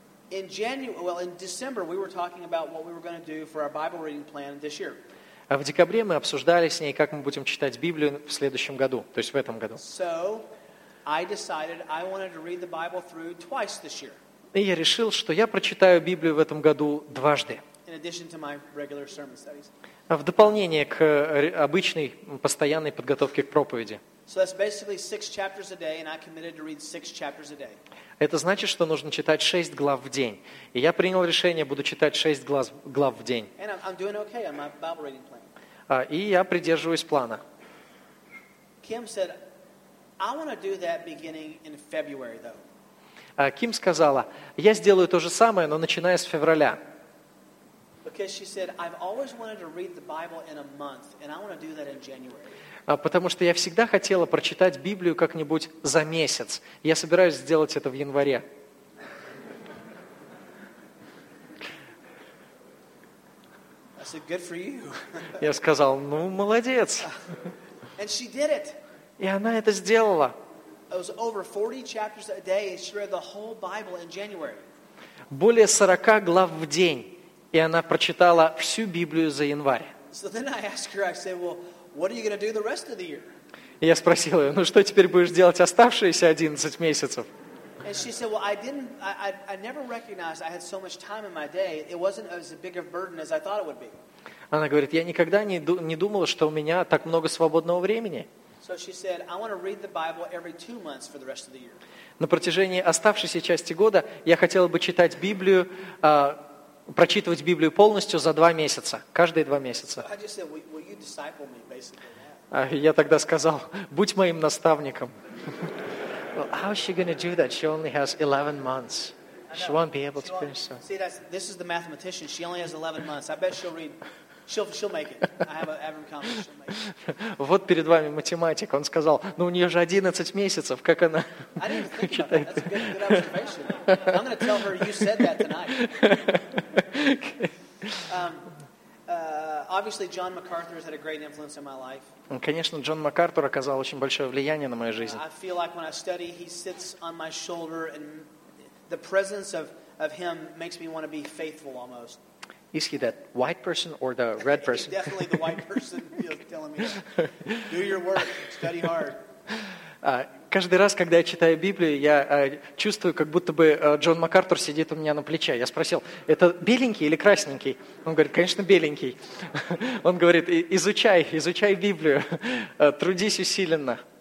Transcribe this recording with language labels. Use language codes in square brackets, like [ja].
[en] In December we were talking about what we were going to do for our Bible reading plan this year. [ru] В декабре мы обсуждали с ней, как мы будем читать Библию в следующем году, то есть в этом году. [en] So I decided I wanted to read the Bible through twice this year. [ru] И я решил, что я прочитаю Библию в этом году дважды. [en] In addition to my regular sermon studies. [ru] В дополнение к обычной постоянной подготовке к проповеди. [en] So that's basically 6 chapters a day, and I committed to read 6 chapters a day. [ru] Это значит, что нужно читать 6 глав в день. И я принял решение, буду читать 6 глав в день. [en] And I'm doing okay on my Bible reading plan. [ru] И я придерживаюсь плана. [en] Kim said, I want to do that beginning in February, though. [ru] Ким сказала, я сделаю то же самое, но начиная с февраля. [en] Because she said, I've always wanted to read the Bible in a month, and I want to do that in January. [ru] Потому что я всегда хотела прочитать Библию как-нибудь за месяц. Я собираюсь сделать это в январе. [en] I said, good for you. [ru] Я сказал, ну, молодец. [en] And she did it. [ru] И она это сделала. [en] It was over 40 chapters a day, and she read the whole Bible in January. [ru] Более 40 глав в день. И она прочитала всю Библию за январь. [en] So then I asked her, I said, well, what are you going to do the rest of the year? [ru] Я спросил ее, ну что теперь будешь делать оставшиеся 11 месяцев? [en] And she said, well, I never recognized I had so much time in my day. It wasn't as big of a burden as I thought it would be. [ru] Она говорит, я никогда не думала, что у меня так много свободного времени. [en] So she said, I want to read the Bible every 2 months for the rest of the year. [ru] На протяжении оставшейся части года я хотела бы читать Библию, прочитывать Библию полностью за 2 месяца, каждые 2 месяца. [en] So I just said, will you disciple me, basically? [ru] Я тогда сказал, будь моим наставником. [en] Well, how is she going to do that? She only has 11 months. She won't be able to finish. So. See, this is the mathematician. She only has 11 months. I bet she'll read. She'll make it. I have a confidence she'll make it. [ru] Вот перед вами математик. Он сказал, ну у нее же 11 месяцев. Как она читает? [en] I didn't even think about that. That's a good observation. I'm going to tell her you said that tonight. Obviously, John MacArthur has had a great influence in my life. [ru] Конечно, Джон МакАртур оказал очень большое влияние на мою жизнь. [en] I feel like when I study, he sits on my shoulder, and the presence of him makes me want to be faithful almost. Is he that white person or the red person? Definitely the white person feels telling me, do your work, study hard. [ru] Каждый раз, когда я читаю Библию, я чувствую, как будто бы Джон МакАртур сидит у меня на плече. Я спросил, это беленький или красненький? Он говорит, конечно, беленький. Он говорит, изучай Библию, трудись усиленно.